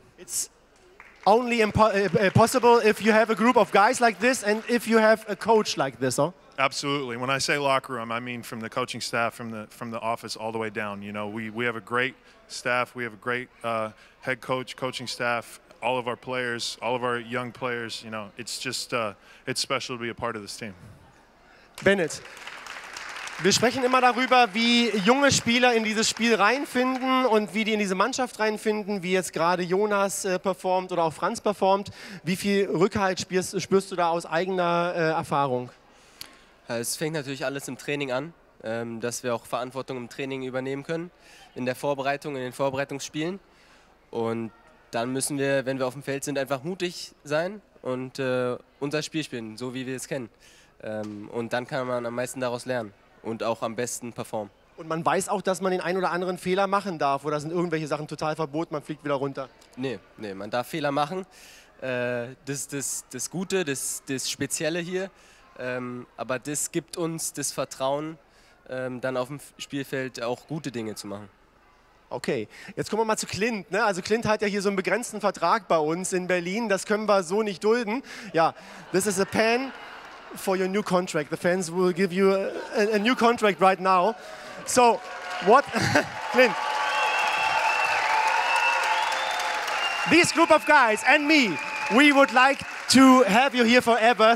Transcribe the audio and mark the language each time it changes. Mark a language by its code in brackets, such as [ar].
[en] It's only possible if you have a group of guys like this and if you have a coach like this, huh? Absolutely. When I say locker room, I mean from the coaching staff, from the office all the way down. You know, we have a great staff. We have a great head coach, coaching staff. All of our players, all of our young players, you know, it's just, it's special to be a part of this team. [de] Bennet, wir sprechen immer darüber, wie junge Spieler in dieses Spiel reinfinden und wie die in diese Mannschaft reinfinden, wie jetzt gerade Jonas performt oder auch Franz performt. Wie viel Rückhalt spürst du da aus eigener Erfahrung? Es fängt natürlich alles im Training an, dass wir auch Verantwortung im Training übernehmen können, in der Vorbereitung, in den Vorbereitungsspielen. Und dann müssen wir, wenn wir auf dem Feld sind, einfach mutig sein und unser Spiel spielen, so wie wir es kennen. Und dann kann man am meisten daraus lernen und auch am besten performen. Und man weiß auch, dass man den einen oder anderen Fehler machen darf oder sind irgendwelche Sachen total verboten, man fliegt wieder runter? Nee, man darf Fehler machen. Das Gute, das Spezielle hier. Aber das gibt uns das Vertrauen, dann auf dem Spielfeld auch gute Dinge zu machen. Okay, jetzt kommen wir mal zu Clint. Ne? Also Clint hat ja hier so einen begrenzten Vertrag bei uns in Berlin. Das können wir so nicht dulden. [en] Ja, this is a pen for your new contract. The fans will give you a new contract right now. So, what, Clint? This group of guys and me, we would like to have you here forever.